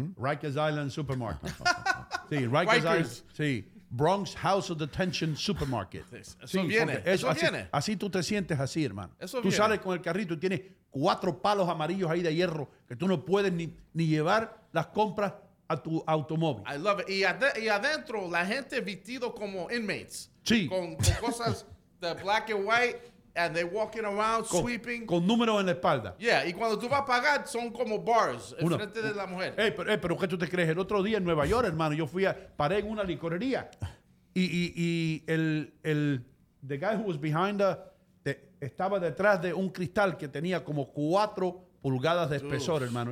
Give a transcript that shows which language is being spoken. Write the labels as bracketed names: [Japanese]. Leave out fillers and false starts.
[English] Rikers Island Supermarket. Rikers Island. Bronx House of Detention Supermarket. [Spanish] Eso viene. Así tú te sientes así, hermano. Eso tú viene. Sales con el carrito y tienes 4 palos amarillos ahí de hierro que tú no puedes ni llevar las compras a tu automóvil. [English] I love it. [Spanish] Y adentro la gente vestido como inmates. Sí. Con cosas de [English] black and white and they walking around sweeping. [Spanish] Con números en la espalda. Yeah, y cuando tú vas a pagar son como bars enfrente de la mujer. Pero ¿qué tú te crees? El otro día en Nueva York, hermano, yo paré en una licorería y el [English] the guy who was behind [Spanish] estaba detrás de un cristal que tenía como 4 pulgadas de espesor, hermano.